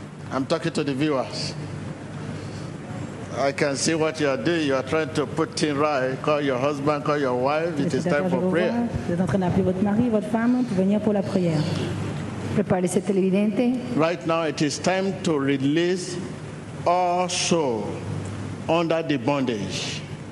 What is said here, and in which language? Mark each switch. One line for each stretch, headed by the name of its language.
English: I'm talking to the viewers. I can see what you are doing. You are trying to put things right. Call your husband, call your wife. It is time for prayer.
French: Vous êtes en train d'appeler votre mari, votre femme pour venir pour la prière. Prépare les télévidentes.
English: Right now, it is time to release all souls under the bondage.